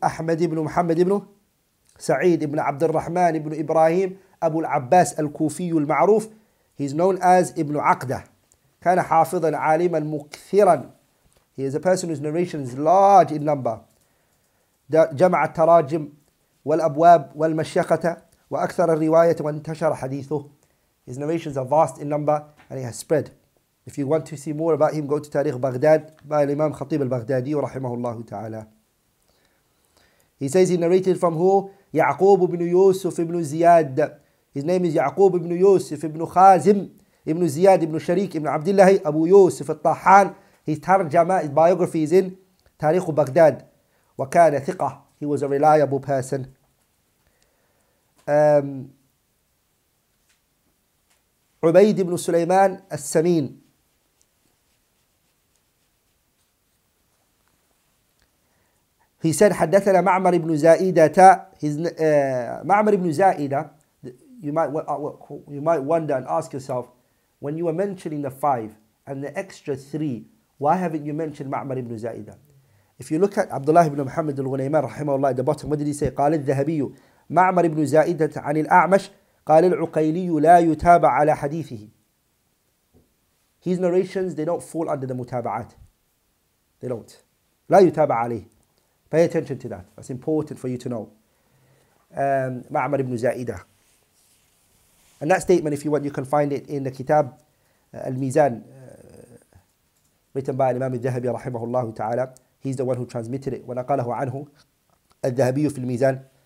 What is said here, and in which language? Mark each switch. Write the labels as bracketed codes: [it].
[ar] أحمد بن محمد بن سعيد بن عبد الرحمن بن إبراهيم أبو العباس الكوفي المعروف. [en] He's known as [ar] ابن عقدة. كان حافظا عالما مكثرا. [en] He is a person whose narration is large in number. [ar] جمع التراجم والأبواب والمشيقة وأكثر الرواية وانتشر حديثه. [en] His narrations are vast in number and he has spread. If you want to see more about him, go to Tariq Baghdad by Imam Khatib al-Baghdadi رحمه الله تعالى. He says he narrated from who? يعقوب بن يوسف بن زياد. His name is يعقوب بن يوسف بن خازم بن زياد بن شريك بن عبد الله أبو يوسف الطحان. His tarjama, his biography is in Tariq Baghdad. [ar] وكان ثقة. [en] He was a reliable person. عبيد بن سليمان السمين. He said, حدثنا معمر بن زائدة. [ar] معمر بن زائدة. [en] You might wonder and ask yourself, when you were mentioning the five and the extra three, why haven't you mentioned معمر بن زائدة? If you look at Abdullah ibn Muhammad al-Ghunayman رحمه الله at the bottom, what did he say? [ar] قال الذهبي معمر بن زائدة عن الأعمش قال العقيلي لا يتابع على حديثه. [en] His narrations, they don't fall under the متابعات. They don't. [ar] لا يتابع عليه. [en] Pay attention to that. That's important for you to know. معمر بن زائدة. And that statement, if you want, you can find it in the Kitab Al-Mizan. Written by Imam al-Dhahabi رحمه الله تعالى. He's the one who transmitted it. [ar] ونقله عنه الذهبي في الميزان.